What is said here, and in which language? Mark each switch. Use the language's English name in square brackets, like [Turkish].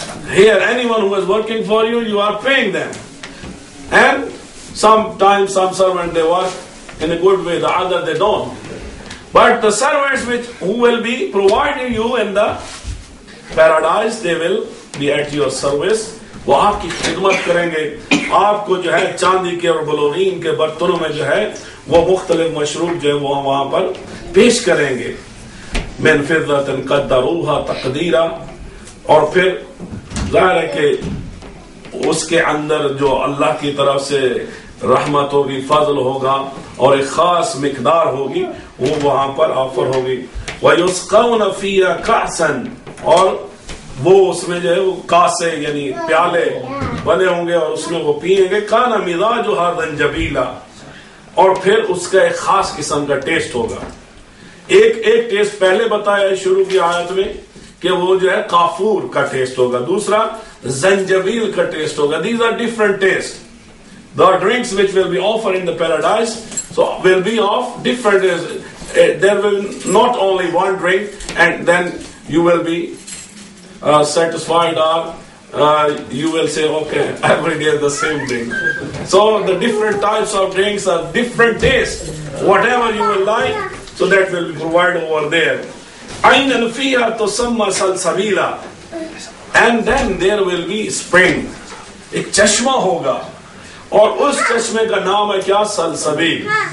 [English] Here, anyone who is working for you, you are paying them. And sometimes some servants they work in a good way, the other they don't. But the servants who will be providing you in the paradise, they will be at your service. [Urdu] وہ آپ کی خدمت کریں گے, آپ کو جو ہے چاندی کے اور بلورین کے برتنوں میں جو ہے وہ مختلف مشروب جو ہے وہ وہاں پر پیش کریں گے. [Arabic] من فضت قدروها تقدیرا, [Urdu] اور پھر ظاہر ہے کہ اس کے اندر جو اللہ کی طرف سے رحمت ہوگی, فضل ہوگا, اور ایک خاص مقدار ہوگی وہ وہاں پر آفر ہوگی. [Arabic] وَيُسْقَوْنَ فِيهَا كَأْسًا, [Urdu] اور وہ اس میں جو ہے وہ کاسے یعنی پیالے بنے ہوں گے اور اس میں وہ پیئیں گے. [Arabic] کانا مزاجہا زنجبیلا, [Urdu] اور پھر اس کا ایک خاص قسم کا ٹیسٹ ہوگا. ایک ایک ٹیسٹ پہلے بتایا ہے شروع کی آیت میں کہ وہ جو ہے کافور کا ٹیسٹ ہوگا, دوسرا زنجبیل کا ٹیسٹ ہوگا. [English] These are different test, the drinks which will be offer in the paradise, so will be of different, there will not only one drink and then you will be satisfied are you will سے okay every day the same drink. So the different types of drinks are different test, what ever you will like, so that will be provided over there. [Arabic] عَيْنًا فِيهَا تُسَمَّى سَلْسَبِيلًا, [English] and then there will be spring, [Urdu] ایک چشمہ ہوگا اور اس چشمے کا نام ہے کیا, سلسبیل.